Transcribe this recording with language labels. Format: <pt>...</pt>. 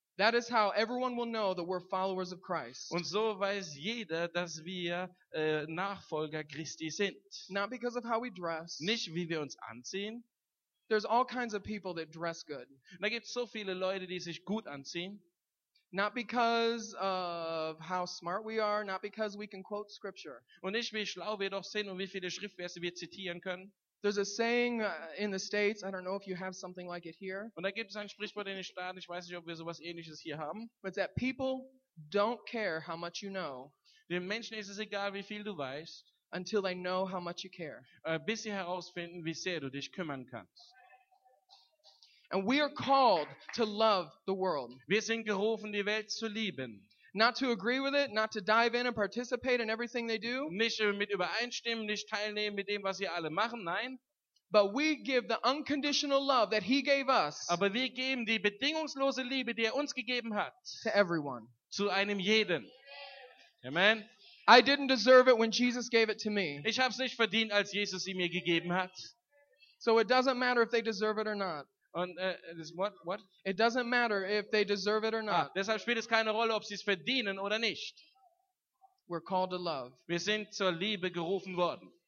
<en>That is how everyone will know that we're followers of Christ.</en> <de>Und so weiß jeder, dass wir Nachfolger Christi sind.</de> <en>Not because of how we dress.</en> <de>Nicht wie wir uns anziehen.</de> <en>There's all kinds of people that dress good.</en> <de>Da gibt's so viele Leute, die sich gut anziehen.</de> <en>Not because of how smart we are, not because we can quote scripture.</en> <de>Und nicht wie schlau wir doch sind und wie viele Schriftverse wir zitieren können.</de> <en>There's a saying in the States, I don't know if you have something like it here.</en> <de>Und da gibt es ein Sprichwort in den Staaten, ich weiß nicht, ob wir sowas ähnliches hier haben.</de> <en>But that people don't care how much you know.</en> <de>Den Menschen ist es egal, wie viel du weißt.</de> <en>Until they know how much you care.</en> <de>Bis sie herausfinden, wie sehr du dich kümmern kannst.</de> <en>And we are called to love the world.</en> <de>Wir sind gerufen, die Welt zu lieben.</de> <en>Not to agree with it, not to dive in and participate in everything they do.</en> <de>Nicht mit übereinstimmen, nicht teilnehmen mit dem, was sie alle machen, nein.</de> <en>But we give the unconditional love that he gave us.</en> <de>Aber wir geben die bedingungslose Liebe, die uns gegeben hat.</de> <en>To everyone.</en> <de>Zu einem jeden. Amen.</de> <en>I didn't deserve it when Jesus gave it to me.</en> <de>Ich hab's nicht verdient, als Jesus sie mir gegeben hat.</de> <en>So it doesn't matter if they deserve it or not. Und what? It doesn't matter if they deserve it or not.</en> <de>Deshalb spielt es keine Rolle, ob sie es verdienen oder nicht.</de> <en>We're called to love.</en> <de>Wir sind zur Liebe gerufen worden.</de>